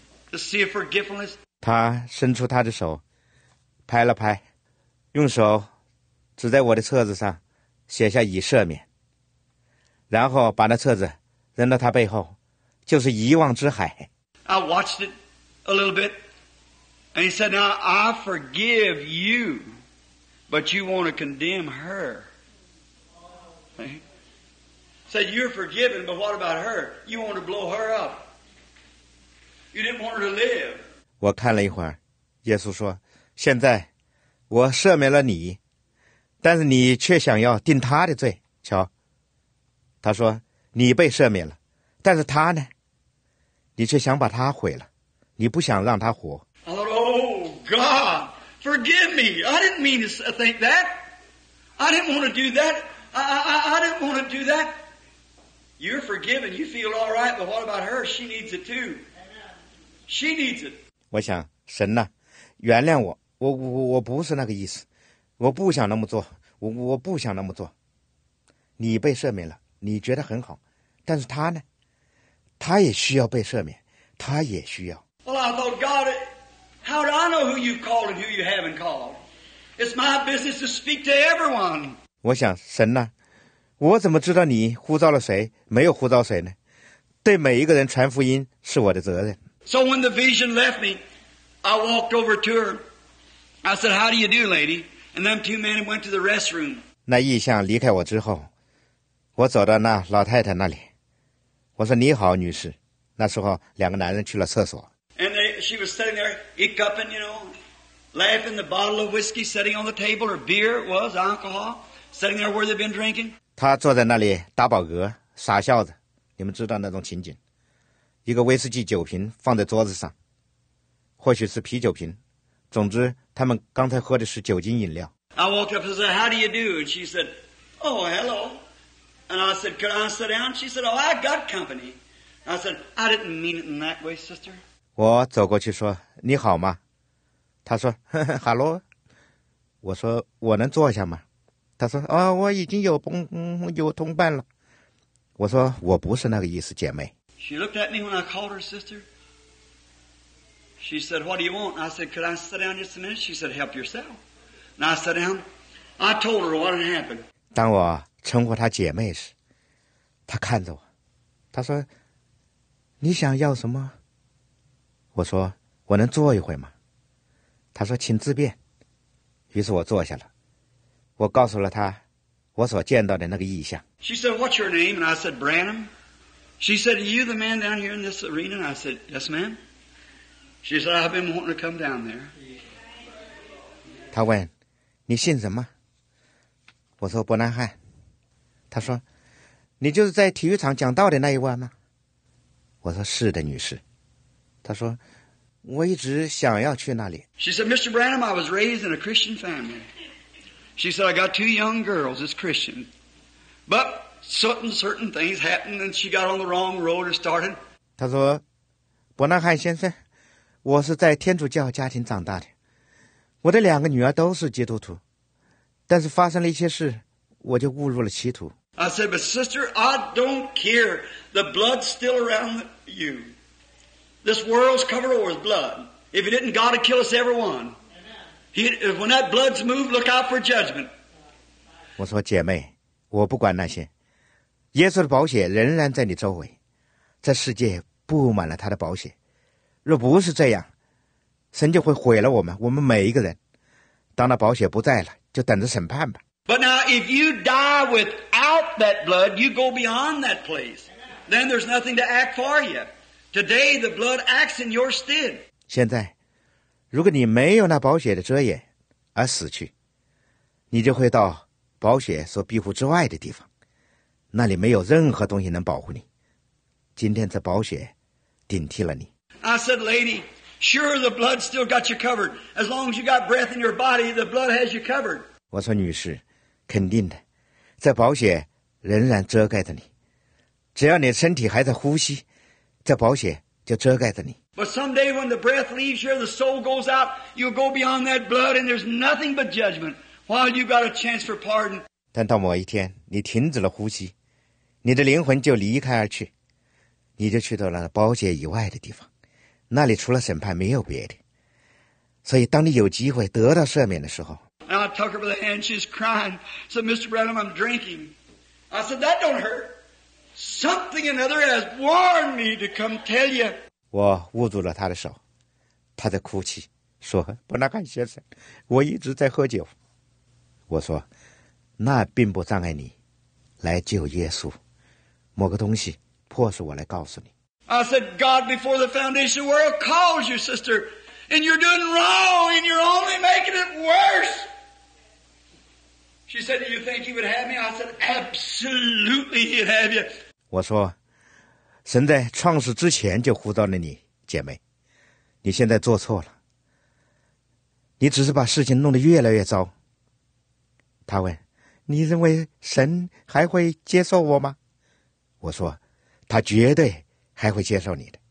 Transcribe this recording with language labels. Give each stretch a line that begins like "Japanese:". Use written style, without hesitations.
English: The sea of forgiveness.
Chinese: 他伸出他的手，拍了拍，用手指在我的册子上写下已赦免，然后把那册子扔到他背后，就是遗忘之海。
English: I watched it a little bit, and he said, Now I forgive you, but you want to condemn her. He said, You're forgiven, but what about her? You want to blow her up. You didn't want her to live.
Chinese: 我看了一会儿，耶稣说，现在我赦免了你，但是你却想要定他的罪。瞧，他说你被赦免了，但是他呢，你却想把他毁了，你不想让他活。
English: Oh God, forgive me. I didn't mean to think that. I didn't want to do that. I didn't want to do that. You're forgiven. You feel all right. But what about her? She needs it too. She needs it.
Chinese: 我想，神呐，原谅我。我不是那个意思，我不想那么做，我不想那么做。你被赦免了，你觉得很好，但是他呢？他也需要被赦免，他也需要。
English: Well, I thought, God, how do I know who you've called and who you haven't called? It's my business to speak to everyone.
Chinese: 我想，神呐，我怎么知道你呼召了谁，没有呼召谁呢？对每一个人传福音是我的责任。
English: So when the vision left me, I walked over to her. I said, how do you do, lady? And them two men went to the restroom.
Chinese: 那异象离开我之后，我走到那老太太那里，我说你好，女士。那时候两个男人去了厕所。
English: And she was sitting there, hiccuping, you know, laughing, the bottle of whiskey sitting on the table, her beer was alcohol, sitting there where they've been drinking.
Chinese: 她坐在那里打饱嗝，傻笑着。你们知道那种情景，一个威士忌酒瓶放在桌子上，或许是啤酒瓶，总之他们刚才喝的是酒精饮料。
English: I walked up and said, how do you do? And she said, oh, hello. And I said, could I sit down? She said, oh, I got company. I said, I didn't mean it in that way, sister.
Chinese: 我走过去说，你好吗？她说，呵呵，哈喽。我说，我能坐下吗？她说，哦，我已经有同伴了。我说，我不是那个意思，姐妹。
English: She looked at me when I called her sister. She said, what do you want? I said, could I sit down just a minute? She said, help yourself. And I sat down. I told her what had happened.
Chinese: 当我称呼她姐妹时，她看着我，她说，你想要什么？我说，我能坐一会吗？她说，请自便。于是我坐下了，我告诉了她我所见到的那个异象。
English: She said, what's your name? And I said, Branham. She said, are you the man down here in this arena? And I said, yes, ma'am. She said, I've been wanting to come down there.
Chinese: 他问，你姓什么？我说，伯南汉。他说，你就是在体育场讲道的那一位吗？我说，是的，女士。他说，我一直想要去那里。
English: She said, Mr. Branham, I was raised in a Christian family. She said, I got two young girls as Christian. But certain things happened and she got on the wrong road and started.
Chinese: 他说，伯南汉先生，我是在天主教家庭长大的，我的两个女儿都是基督徒，但是发生了一些事，我就误入了歧途。
English: I said, but sister, I don't care. The blood's still around you. This world's covered over with blood. If it didn't, God would kill us everyone. When that blood's moved, look out for judgment.
Chinese: 我说姐妹，我不管那些，耶稣的宝血仍然在你周围，这世界布满了他的宝血。若不是这样，神就会毁了我们，我们每一个人。当那宝血不在了，就等着审判吧。
English: But now, if you die without that blood, you go beyond that place. Then there's nothing to act for you. Today, the blood acts in your stead.
Chinese: 现在，如果你没有那宝血的遮掩而死去，你就会到宝血所庇护之外的地方，那里没有任何东西能保护你。今天这宝血顶替了你。
English: I said, lady, sure, the blood still got you covered. As long as you got breath in your body, the blood has you covered.
Chinese: 我说，女士，肯定的，这宝血仍然遮盖着你。只要你身体还在呼吸，这宝血就遮盖着你。
English: But someday when the breath leaves here, the soul goes out, you'll go beyond that blood and there's nothing but judgment while you've got a chance for pardon.
Chinese: 但到某一天，你停止了呼吸，你的灵魂就离开而去，你就去到了宝血以外的地方，那里除了审判没有别的。所以当你有机会得到赦免的时候，
English: And I took her by the hand, she's crying. I said, Mr. Branham, I'm drinking. I said, that don't hurt. Something another has warned me to come tell you.
Chinese: 我捂住了她的手，她在哭泣，说，伯纳罕先生，我一直在喝酒。我说，那并不障碍你来救耶稣。某个东西迫使我来告诉你。
English: I said, God before the foundation world calls you, sister. And you're doing wrong, and you're only making it worse. She said, "Do you think he would have me?" I said, "Absolutely, he'd have you."
Chinese: 我说，神在创世之前就呼召了你，姐妹，你现在做错了，你只是把事情弄得越来越糟。他问，你认为神还会接受我吗？我说，他绝对还会接受你的。